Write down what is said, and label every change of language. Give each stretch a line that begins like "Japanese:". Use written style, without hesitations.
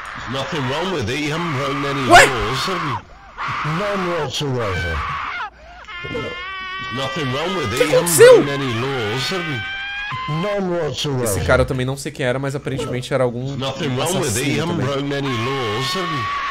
English: Nothing wrong with it, you haven't broken any laws, have you? None whatsoever. Nothing wrong with it, you haven't broken any laws, have you? None whatsoever.
Portuguese: Esse cara eu também não sei quem era, mas aparentemente era algum assassino também.
English: Nothing wrong with it, you haven't broken any laws, have you?